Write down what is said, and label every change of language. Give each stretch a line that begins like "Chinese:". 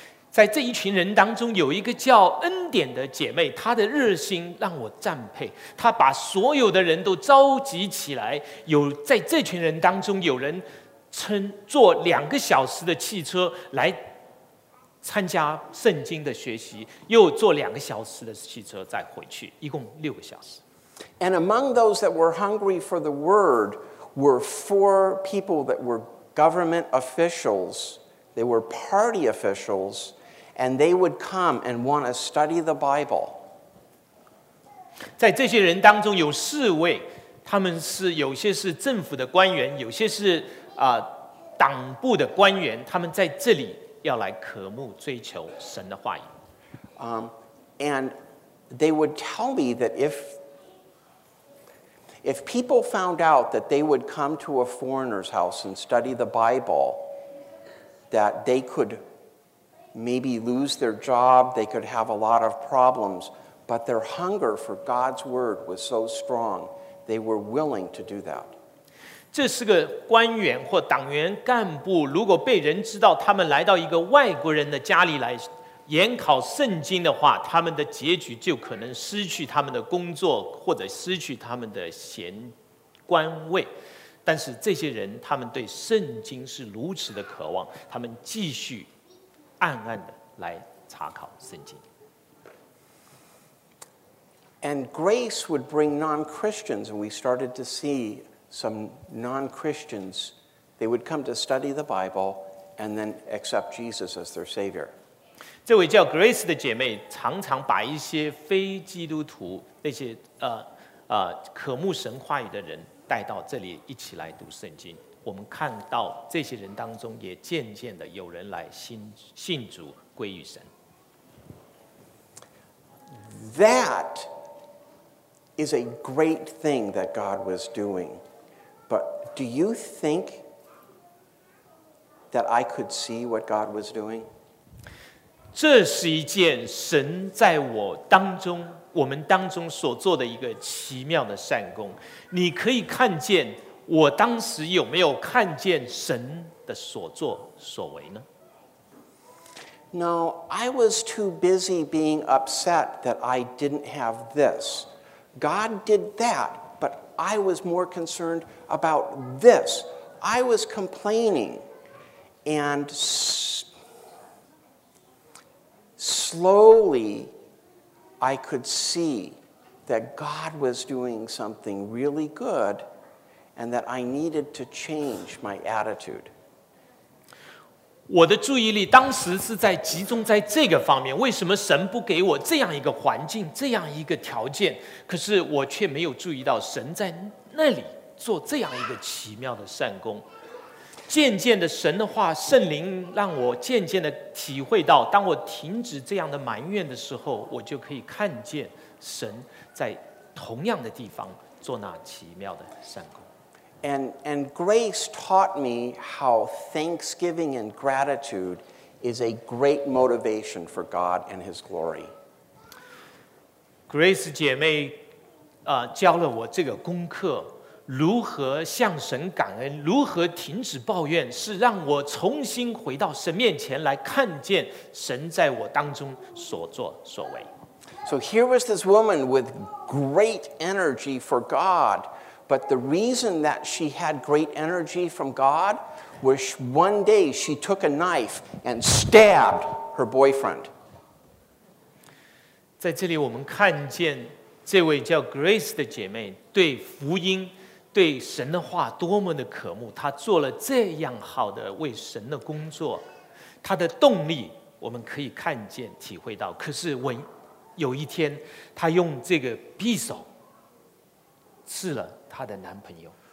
Chinese: 在这一群人当中，有一个叫恩典的姐妹，她的热心让我赞佩。她把所有的人都召集起来，有在这群人当中，有人乘坐2个小时的汽车来参加圣经的学习，又坐2个小时的汽车再回去，一共6个小时。
English: And among those that were hungry for the word were 4 people that were government officials. They were party officials, and they would come and want to study the Bible.
Chinese: 在这些人当中有4位，他们是有些是政府的官员，有些是党部的官员，他们在这里要来渴慕追求神的话语。
English: And they would tell me that if people found out that they would come to a foreigner's house and study the Bible. That they could maybe lose their job, they could have a lot of problems, but their hunger for God's word was so strong, they were willing to do that.
Chinese: 这是个官员或党员干部，如果被人知道他们来到一个外国人的家里来研考圣经的话，他们的结局就可能失去他们的工作或者失去他们的闲官位。但是这些人，他们对圣经是如此的渴望，他们继续暗暗的来查考圣经。
English: And Grace would bring non-Christians, and we started to see some non-Christians. They would come to study the Bible and then accept Jesus as their Savior.
Chinese: 这位叫 Grace 的姐妹常常把一些非基督徒那些渴慕神话语的人。带到这里一起来读圣经，我们看到这些人当中也渐渐的有人来信主归于神。
English: That is a great thing that God was doing. But do you think that I could see what God was doing?
Chinese: 这是一件神在我当中我们当中所做的一个奇妙的善功，你可以看见我当时有没有看见神的所作所为呢？
English: No, I was too busy being upset that I didn't have this. God did that, but I was more concerned about this. I was complaining and slowly. I could see that God was doing something really good and that I needed to change my attitude.
Chinese: 我的注意力当时是在集中在这个方面，为什么神不给我这样一个环境，这样一个条件，可是我却没有注意到神在那里做这样一个奇妙的善功。渐渐的神的话，圣灵让我渐渐的体会到，当我停止这样的埋怨的时候，我就可以看见神在同样的地方做那奇妙的善工。
English: And grace taught me how thanksgiving and gratitude is a great motivation for God and His glory.
Chinese: Grace 姐妹教了我这个功课，如何向神感恩，如何停止抱怨，是让我重新回到神面前来看见神在我当中所作所为。
English: So here was this woman with great energy for God, but the reason that she had great energy from God was one day she took a knife and stabbed her boyfriend.
Chinese: 在这里我们看见这位叫 Grace 的姐妹对福音对神的话多么的渴慕，她做了这样好的为神的工作，她的动力我们可以看见体会到，可是我有一天她用这个匕首刺了她的男朋友。